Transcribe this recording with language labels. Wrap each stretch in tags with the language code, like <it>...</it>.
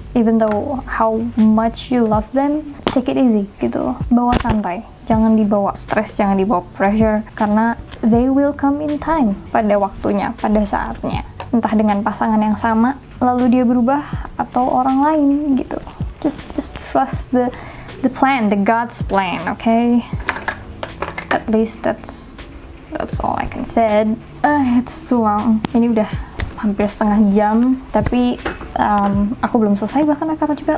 <en>Even though how much you love them, take it easy</en> <id>gitu loh. Bawa santai, jangan dibawa stres, jangan dibawa pressure, karena</id> <en>they will come in time,</en> <id>pada waktunya, pada saatnya, entah dengan pasangan yang sama lalu dia berubah atau orang lain gitu.</id> <en>Just trust the plan, the God's plan, okay? At least that's all I can say. It's too long,</en> <id>ini udah hampir setengah jam, tapi aku belum selesai bahkan aku juga.</id>